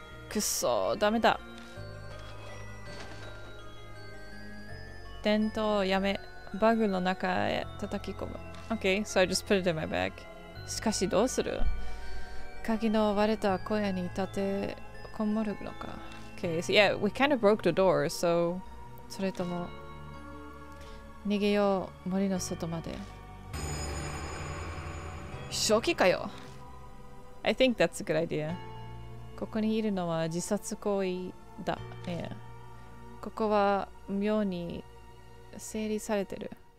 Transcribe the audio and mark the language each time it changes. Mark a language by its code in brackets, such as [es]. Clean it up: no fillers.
[ja] くっそー、ダメだ。電灯をやめ、バグの中へ叩き込む。 [en] Okay, so I just put it in my bag. [ja] しかしどうする？鍵の割れた小屋に立てこもるのか。 [en] Okay, so yeah, we kind of broke the door, so... [ja] それとも、逃げよう森の外まで。正気かよ。 [en] I think that's a good idea. [ja] ここにいるのは自殺行為だ。 [en] Yeah. [ja] ここは妙に整理されてる。